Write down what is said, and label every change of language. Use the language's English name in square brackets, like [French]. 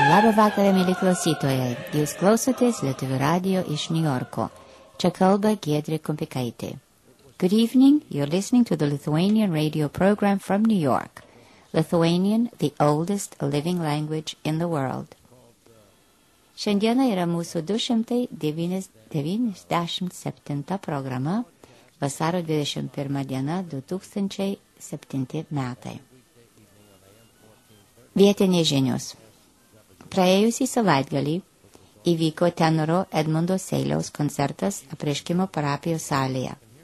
[Lithuanian] vakarą, mėly klausytojai. Jūs klausotės Lietuvių radio iš Niujorko. Čia kalba Giedrė Kumpikaitė. [English] Good evening, you're listening to the Lithuanian radio program from New York. Lithuanian, the oldest living language in the world. [Lithuanian] Šiandieną yra mūsų 297 programa, vasaro 21 diena 2007 metai. Vietinės žinios. Praėjusį savaitgalį įvyko tenoro Edmundo Seiliaus koncertas apreiškimo parapijos salėje.